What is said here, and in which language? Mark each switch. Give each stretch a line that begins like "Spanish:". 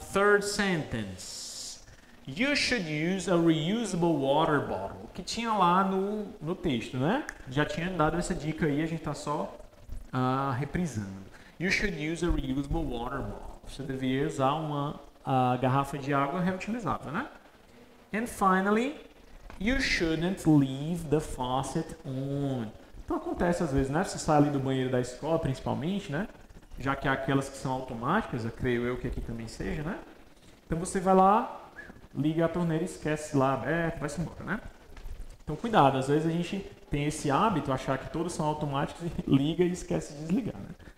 English: Third sentence. You should use a reusable water bottle.
Portuguese: Que tinha lá no texto, né? Já tinha dado essa dica aí, a gente tá só reprisando.
English: You should use a reusable water bottle.
Portuguese: Você deveria usar uma garrafa de água reutilizável, né?
English: And finally, you shouldn't leave the faucet on.
Portuguese: Então acontece às vezes, né? Você sai ali do banheiro da escola, principalmente, né? Já que há aquelas que são automáticas, eu creio eu que aqui também seja, né? Então você vai lá, liga a torneira e esquece lá aberto, vai-se embora, né? Então cuidado, às vezes a gente tem esse hábito, achar que todos são automáticos e liga e esquece de desligar, né?